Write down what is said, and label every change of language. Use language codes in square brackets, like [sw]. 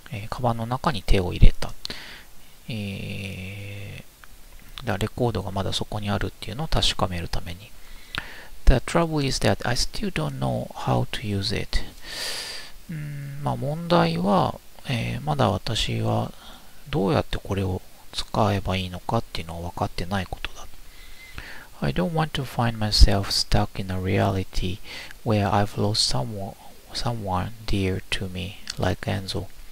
[ja] カバンの中に手を入れた。レコードがまだそこにあるっていうのを確かめるために。 [en] The trouble is that I still don't know how to use it. [ja] 問題は、まだ私はどうやってこれを使えばいいのかっていうのは分かってないことだ。 [en] I don't want to find myself stuck in a reality where I've lost someone dear to me, like Enzo.